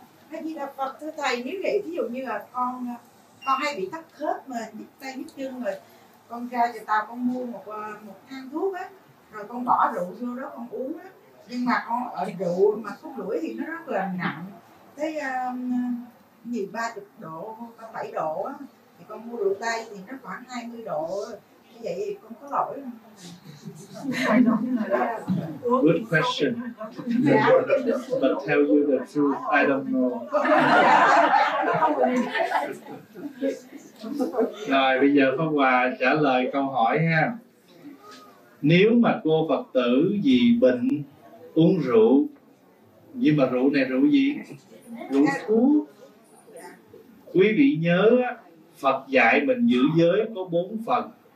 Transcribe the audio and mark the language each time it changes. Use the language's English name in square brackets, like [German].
[Vietnamese] Hay gì là Phật thưa thầy, nếu vậy ví dụ như là con hay bị tắc khớp mà nhức tay nhức chân rồi con ra cho tao con mua một thang thuốc á, rồi con bỏ rượu vô đó con uống á, nhưng mà con ở rượu mà thuốc lưỡi thì nó rất là nặng, thấy nhiều 30 độ, 7 độ á, thì con mua rượu tây thì nó khoảng 20 độ, như vậy thì con có lỗi không? [English] Good question. But tell you the truth, I don't know. [Vietnamese] Rồi bây giờ Pháp Hòa trả lời câu hỏi ha. Nếu mà cô Phật tử vì bệnh uống rượu, nhưng mà rượu này rượu gì? Rượu thuốc. Quý vị nhớ Phật dạy mình giữ giới có 4 phần.